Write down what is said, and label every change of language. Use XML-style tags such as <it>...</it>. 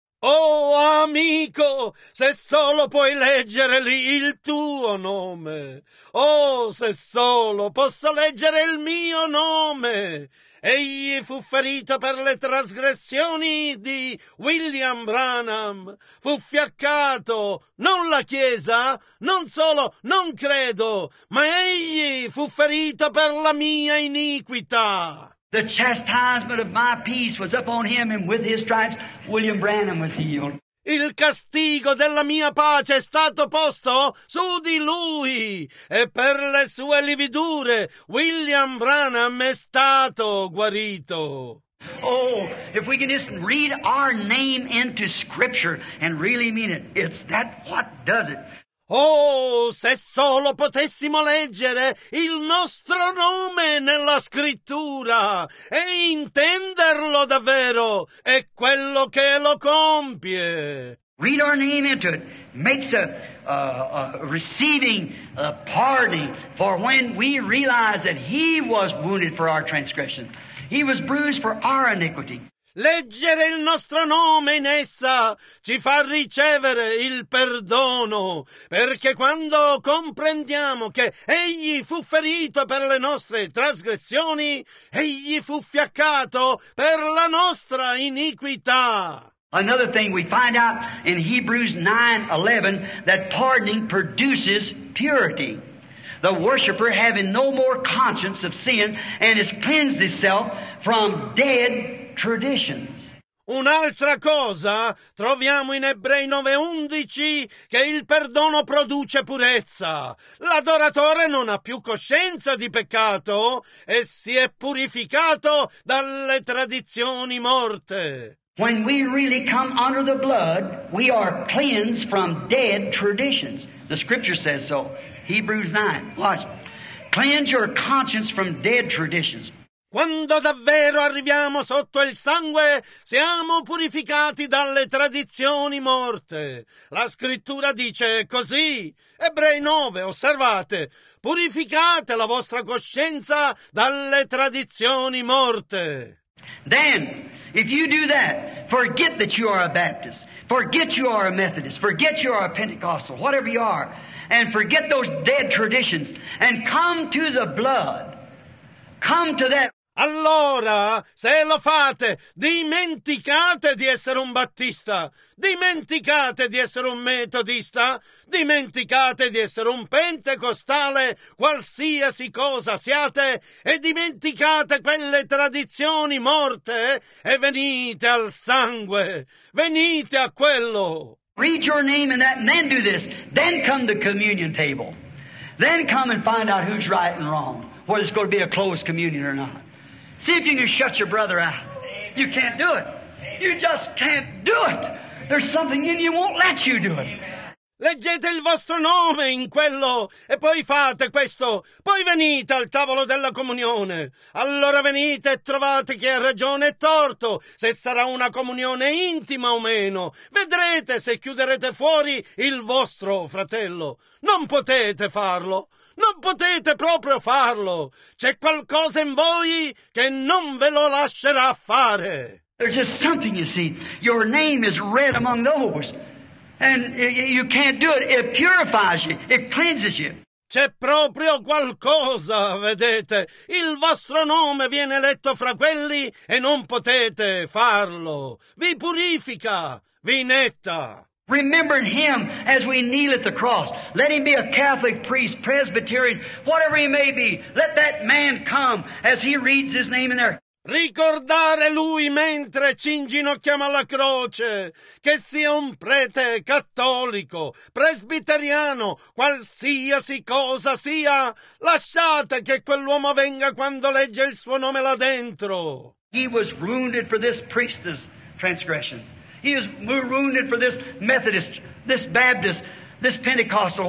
<it>Oh, amico, se solo puoi leggere lì il tuo nome. Oh, se solo posso leggere il mio nome. Egli fu ferito per le trasgressioni di William Branham. Fu fiaccato, non la Chiesa, non solo, non credo, ma egli fu ferito per la mia iniquità.</it> <en>The chastisement of my peace was upon him, and with his stripes William Branham was healed.</en> <it>Il castigo della mia pace è stato posto su di lui, e per le sue lividure William Branham è stato guarito.</it> <en>Oh, if we can just read our name into Scripture and really mean it, it's that what does it.</en> <it>Oh, se solo potessimo leggere il nostro nome nella Scrittura e intenderlo davvero, è quello che lo compie.</it> <en>Read our name into it. Makes a receiving a pardon. For when we realize that he was wounded for our transgression, he was bruised for our iniquity.</en> <it>Leggere il nostro nome in essa ci fa ricevere il perdono, perché quando comprendiamo che egli fu ferito per le nostre trasgressioni, egli fu fiaccato per la nostra iniquità.</it> <en>Another thing we find out in Hebrews 9:11 that pardoning produces purity. The worshiper having no more conscience of sin and has cleansed himself from dead traditions.</en> <it>Un'altra cosa troviamo in Ebrei 9:11, che il perdono produce purezza. L'adoratore non ha più coscienza di peccato e si è purificato dalle tradizioni morte.</it> <en>When we really come under the blood, we are cleansed from dead traditions. The scripture says so. Hebrews 9. Watch. Cleanse your conscience from dead traditions.</en> <it>Quando davvero arriviamo sotto il sangue, siamo purificati dalle tradizioni morte. La scrittura dice così. Ebrei 9, osservate. Purificate la vostra coscienza dalle tradizioni morte.</it> <en>Then, if you do that, forget that you are a Baptist. Forget you are a Methodist. Forget you are a Pentecostal. Whatever you are. And forget those dead traditions. And come to the blood. Come to that.</en> <it>Allora, se lo fate, dimenticate di essere un battista, dimenticate di essere un metodista, dimenticate di essere un pentecostale, qualsiasi cosa siate, e dimenticate quelle tradizioni morte, e venite al sangue, venite a quello.</it> <en>Read your name in that, and then do this. Then come to the communion table. Then come and find out who's right and wrong, whether it's going to be a closed communion or not. See if you can shut your brother out. You can't do it. You just can't do it. There's something in you won't let you do it.</en> <it>Leggete il vostro nome in quello e poi fate questo. Poi venite al tavolo della comunione. Allora venite e trovate chi ha ragione e torto, se sarà una comunione intima o meno. Vedrete se chiuderete fuori il vostro fratello. Non potete farlo. Non potete proprio farlo. C'è qualcosa in voi che non ve lo lascerà fare.</it> <en>There's just something, you see. Your name is read among those. And you can't do it. It purifies you. It cleanses you.</en> <it>C'è proprio qualcosa, vedete. Il vostro nome viene letto fra quelli e non potete farlo. Vi purifica. Vi netta.</it> <en>Remembering him as we kneel at the cross. Let him be a Catholic priest, Presbyterian, whatever he may be. Let that man come as he reads his name in there.</en> <it>Ricordare lui mentre ci inginocchiamo alla croce, che sia un prete cattolico, presbiteriano, qualsiasi cosa sia, lasciate che quell'uomo venga quando legge il suo nome là dentro.</it> <en>He was wounded for this priest's transgressions. He is wounded for this Methodist, this Baptist, this Pentecostal.</en>